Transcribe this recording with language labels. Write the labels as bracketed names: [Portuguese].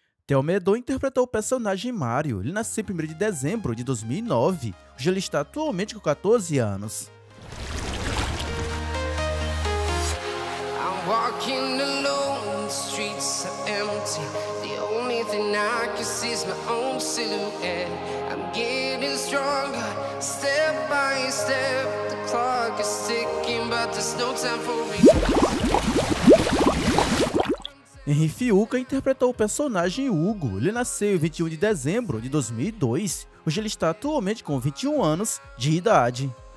[Portuguese] Thelma Edo interpretou o personagem Mario. Ele nasceu em 1 de dezembro de 2009. Hoje ele está atualmente com 14 anos. [English] I'm walking alone, the streets are empty. The only thing I can see is my own silhouette. I'm getting stronger, step by step. The clock is ticking, but there's no time for me. [Portuguese] Henry Fiuca interpretou o personagem Hugo. Ele nasceu em 21 de dezembro de 2002. Hoje ele está atualmente com 21 anos de idade.